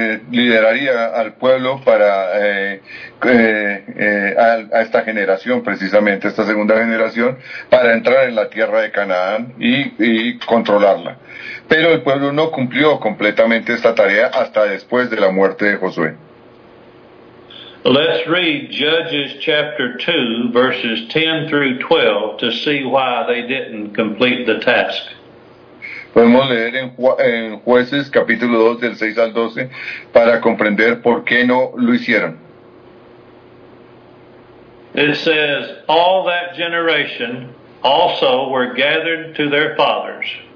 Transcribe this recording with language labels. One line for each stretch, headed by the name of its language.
Spanish: Lideraría al pueblo para a esta generación, precisamente esta segunda generación, para entrar en la tierra de Canaán y controlarla. Pero el pueblo no cumplió completamente esta tarea hasta después de la muerte de Josué.
English: Let's read Judges chapter 2, verses 10 through 12, to see why they didn't complete the task.
Spanish: Podemos leer en Jueces capítulo 2, del 6 al 12, para comprender por qué no lo hicieron.
English: It says, "All that generation also were gathered to their fathers."